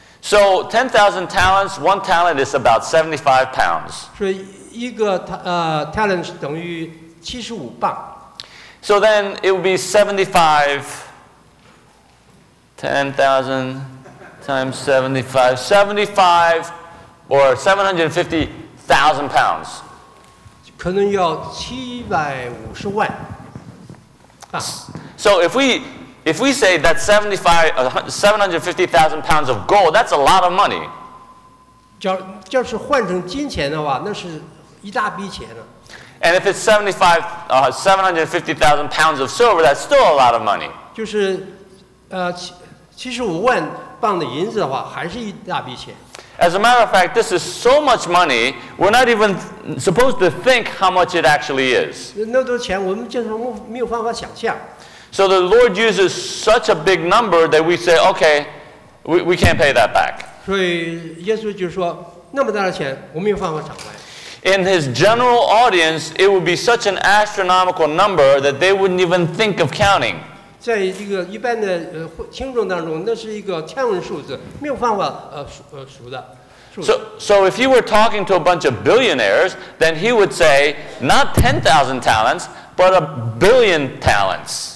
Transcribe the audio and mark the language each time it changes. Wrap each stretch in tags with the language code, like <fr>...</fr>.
<en>So 10,000 talents, one talent is about 75 pounds.</en> <zh>所以一个talent 等于75磅。</zh> <en>So then it would be 75 10,000 times 75, 75 or 750,000 pounds.</en> <zh>可能要750万。</zh> <en>So if we say that 750,000 pounds of gold, that's a lot of money.</en> <zh>就是换成金钱的话，那是一大笔钱了。</zh> <en>And if it's 750,000 pounds of silver, that's still a lot of money.</en> <zh>就是75万磅的银子的话，还是一大笔钱。</zh> <en>As a matter of fact, this is so much money, we're not even supposed to think how much it actually is.</en> <zh>那多钱我们就是没有办法想象。</zh> <en>So the Lord uses such a big number that we say, okay, we can't pay that back.</en> <zh>所以耶稣就说，那么大的钱我没有办法偿还。</zh> <en>In his general audience, it would be such an astronomical number that they wouldn't even think of counting.</en> <zh>在一个一般的听众当中，那是一个天文数字，没有办法数的。</zh> <en>So if you were talking to a bunch of billionaires, then he would say not 10,000 talents, but a billion talents.</en>